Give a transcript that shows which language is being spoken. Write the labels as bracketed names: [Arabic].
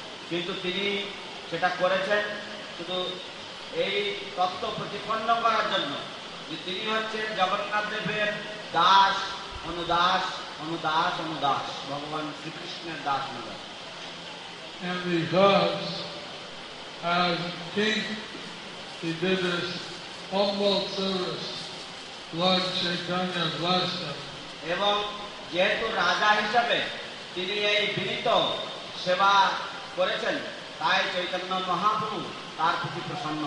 [Bangla] কিন্তু তিনি সেটা করেছেন শুধু এই তত্ত্ব প্রতিপন্ন করার জন্য যে তিনি হচ্ছেন জগন্নাথ দেবের দাস অনুদাস অনুদাস অনুদাস ভগবান শ্রীকৃষ্ণের Das অনুদাস। [English] And because as king he did this humble service, Lord Chaitanya blessed him. [Bangla] এবং যেহেতু রাজা হিসাবে তিনি এই বিনীত সেবা করেছেন তাই চৈতন্য মহাপ্রভু তার প্রতি প্রসন্ন